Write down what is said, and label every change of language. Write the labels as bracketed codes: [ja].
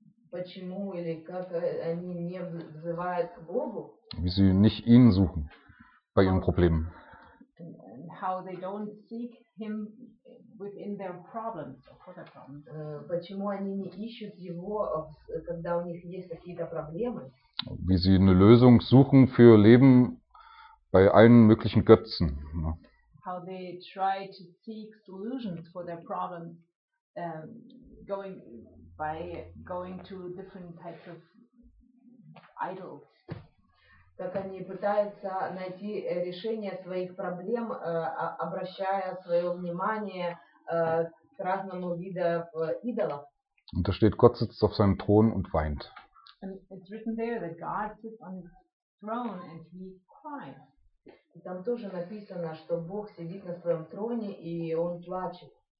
[ru] Почему или как они не взывают к Богу? [de] Wie sie nicht ihn suchen bei ihren Problemen. [en] How they don't seek him within their problems, for their problems. [ru] Почему они не ищут его, когда у них есть какие-то проблемы? [de] Wie sie eine Lösung suchen für ihr Leben bei allen möglichen Götzen. [en] How they try to seek solutions for their problems, going to different types of idols. [ru] Как они пытаются найти решение своих проблем, обращая свое внимание к разному виду идолов. [de] Und da steht, Gott sitzt auf seinem Thron und weint. [en] And it's written there that God sits on his throne and he cries. [ru] И там тоже написано, что Бог сидит на своем троне и он плачет.